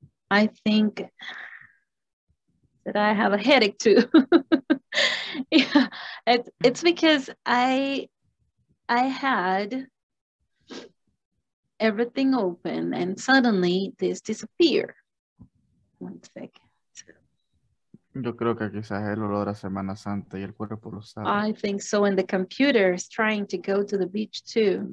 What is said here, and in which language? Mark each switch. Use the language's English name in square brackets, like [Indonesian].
[English] I think that I have a headache too. it's because I had everything open and suddenly this disappeared. One second. [Spanish] Yo creo que quizás el olor a Semana Santa y el cuerpo lo sabe. [English] I think so, and the computer is trying to go to the beach too.